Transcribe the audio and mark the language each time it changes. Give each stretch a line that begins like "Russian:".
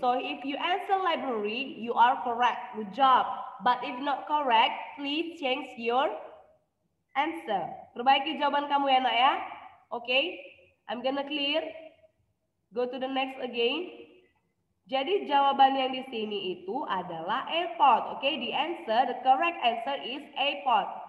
English: So if you answer library, you are correct. Good job. But if not correct, please change your answer.
Indonesian: Perbaiki jawaban kamu ya, nak ya.
English: Okay, I'm gonna clear. Go to the next again.
Indonesian: Jadi jawaban yang di sini itu adalah airport.
English: Okay, the answer, the correct answer is airport.